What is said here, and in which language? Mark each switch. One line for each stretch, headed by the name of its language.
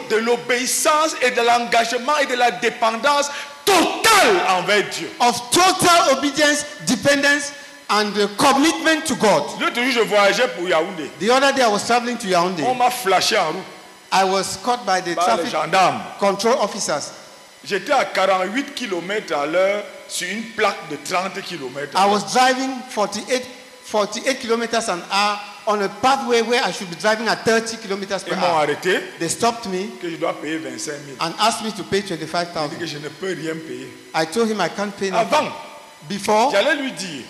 French: de l'obéissance et de l'engagement et de la dépendance totale envers Dieu.
English: Of total obedience, dependence, and the commitment to God.
French: L'autre jour, je voyageais pour Yaoundé.
English: The other day, I was traveling to Yaoundé.
French: On m'a flashé en route.
English: I was caught by the traffic control officers.
French: J'étais à 48 km à l'heure sur une plaque de 30 km.
English: I was driving 48 kilometers an hour on a pathway where I should be driving at 30 kilometers per hour.
French: Ils m'ont arrêté.
English: They stopped me.
French: Que je dois payer 25 000.
English: And asked me to pay 25,000.
French: Que je ne peux rien payer.
English: I told him I can't pay nothing.
French: Avant,
English: before,
French: j'allais lui dire